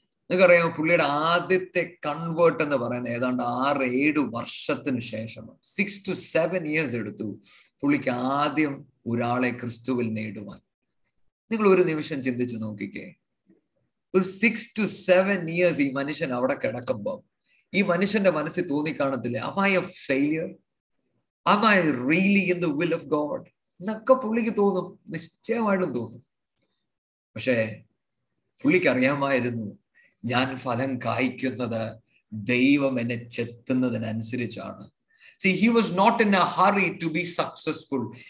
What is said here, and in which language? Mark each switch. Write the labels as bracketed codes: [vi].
[ml] നിങ്ങൾക്കറിയാം പുള്ളിയുടെ ആദ്യത്തെ കൺവേർട്ട് എന്ന് പറയുന്നത് ഏതാണ്ട് 6-7 ശേഷം, 6-7 എടുത്തു പുള്ളിക്ക് ആദ്യം ഒരാളെ ക്രിസ്തുവിൽ നേടുവാൻ. നിങ്ങൾ ഒരു നിമിഷം ചിന്തിച്ച് നോക്കിക്കേ, ഒരു 6-7 ഈ മനുഷ്യൻ അവിടെ കിടക്കുമ്പോൾ ഈ മനുഷ്യന്റെ മനസ്സിൽ തോന്നിക്കാണത്തില്ലേ, [en] am I a failure? Am I really in the will of God? [ml] എന്നൊക്കെ പുള്ളിക്ക് തോന്നും, നിശ്ചയമായിട്ടും തോന്നും. പക്ഷേ പുള്ളിക്ക് അറിയാമായിരുന്നു ഞാൻ ഫലം കായ്ക്കുന്നത് ദൈവം എന്നെ ചെത്തുന്നതിനനുസരിച്ചാണ്. [en] See, he was not in a hurry to be successful.